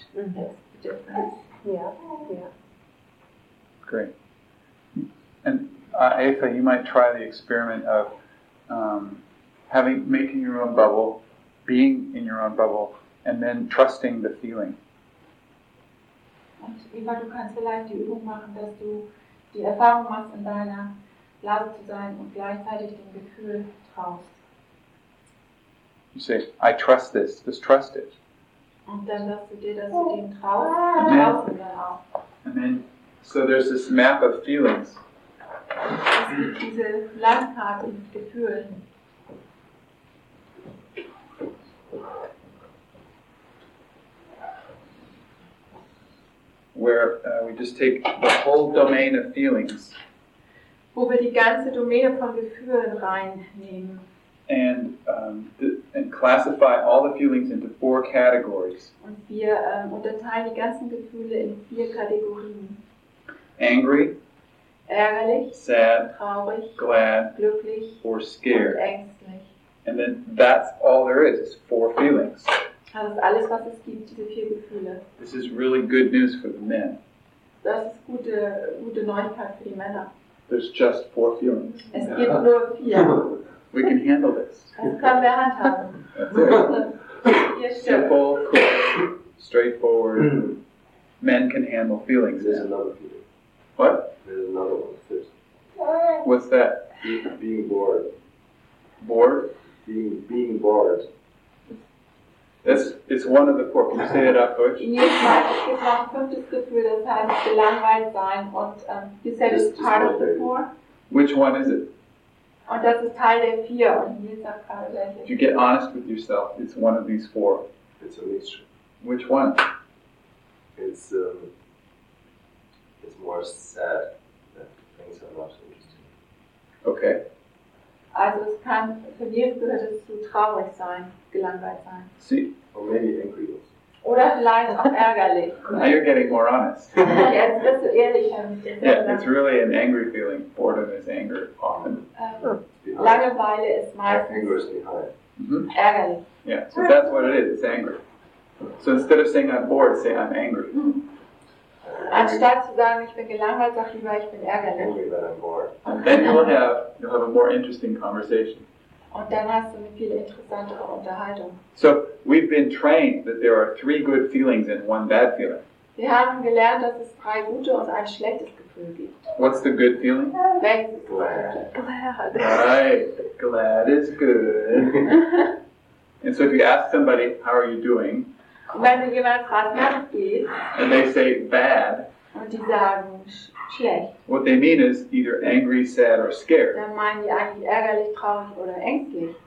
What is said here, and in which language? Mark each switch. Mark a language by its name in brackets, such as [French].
[English] Mm-hmm. That's the difference. Yeah. Great. And Aifa, you might try the experiment of making your own bubble, being in your own bubble, and then trusting the feeling. [German] Und Eva, du kannst vielleicht die Übung machen, dass du die Erfahrung machst, in deiner Blase zu sein und gleichzeitig dem Gefühl traust. [English] You say, I trust this. Just trust it. [German] Und dann sagst du dir, dass du dem traust und traust ihn dann auch. [English] And then, so there's this map of feelings. [German] Es gibt diese Landkarte mit Gefühlen. [English] Where we just take the whole domain of feelings. [German] Wo wir die ganze Domäne von Gefühlen reinnehmen. [English] And and classify all the feelings into four categories. [German] Und wir unterteilen die ganzen Gefühle in vier Kategorien. [English] Angry. [German] Ärgerlich. [English] Sad. [German] Traurig. [English] Glad. [German] Glücklich. [English] Or scared. [German] Und ängstlich. [English] And then that's all there is four feelings. [German] Das ist alles, was es gibt, diese vier Gefühle. [English] This is really good news for the men. [German] Das ist gute Neuigkeit für die Männer. [English] There's just four feelings. [German] Es gibt nur vier. [English] We can handle this. [German] Das können wir handhaben. [English] Simple, cool, straightforward. Men can handle feelings. There's another feeling. What? There's another one. There's... What's that? Being bored. Bored? Being bored. It's one of the four. Can you say that out, Coach? In your mind, it's like a fifth [German] Gefühl, das heißt, gelangweilt sein. [English] And you said it's part of the four. Which one is it? [German] Und das ist Teil der vier. Und hier ist auch Teil der [English] If you get honest with yourself, it's one of these four. It's a mixture. Which one? It's more sad that things are not interesting. Okay. [German] Also es kann für mich gehört es zu traurig sein, gelangweilt sein. [English] See, or maybe angry also. [German] Oder vielleicht auch ärgerlich. [English] Now you're getting more honest. [German] Jetzt bist du ehrlicher mit dir. [English] Yeah, it's really an angry feeling. Boredom is anger often. [German] Langeweile ist meistens ärgerlich. [English] Yeah, so that's what it is. It's anger. So instead of saying I'm bored, say I'm angry. [German] Anstatt zu sagen, ich bin gelangweilt, sag lieber, ich bin ärgerlich. [English] And then you'll have a more interesting conversation. [German] Und dann hast du eine viel interessantere Unterhaltung. [English] So we've been trained that there are three good feelings and one bad feeling. [German] Wir haben gelernt, dass es drei gute und ein schlechtes Gefühl gibt. [English] What's the good feeling? Glad. Right. Glad is good. And so if you ask somebody, how are you doing? [German] Wenn du jemand fragst, wie es geht, [English] and they say bad, [German] und die sagen, schlecht. [English] What they mean is either angry, sad, or scared. [German] Dann meinen die eigentlich ärgerlich, traurig oder ängstlich.